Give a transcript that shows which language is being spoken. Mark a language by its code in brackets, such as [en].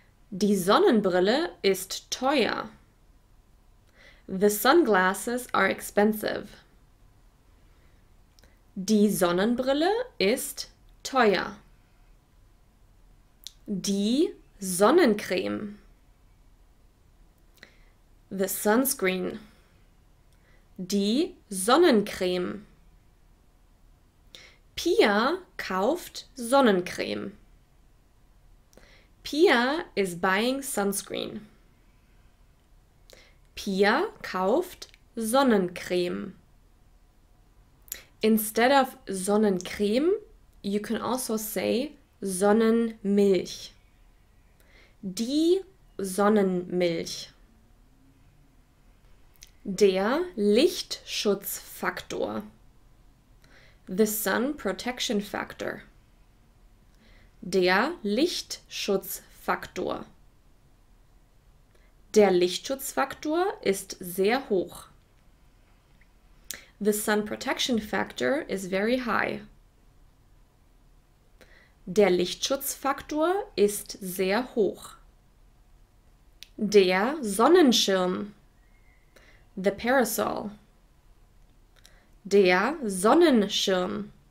[de] Die Sonnenbrille ist teuer. [en] The sunglasses are expensive. [de] Die Sonnenbrille ist teuer. Die Sonnencreme. [en] The sunscreen. [de] Die Sonnencreme. Pia kauft Sonnencreme. [en] Pia is buying sunscreen. [de] Pia kauft Sonnencreme. [en] Instead of Sonnencreme, you can also say Sonnenmilch. [de] Die Sonnenmilch. Der Lichtschutzfaktor. [en] The sun protection factor. [de] Der Lichtschutzfaktor. Der Lichtschutzfaktor ist sehr hoch. [en] The sun protection factor is very high. [de] Der Lichtschutzfaktor ist sehr hoch. Der Sonnenschirm. [en] The parasol. [de] Der Sonnenschirm.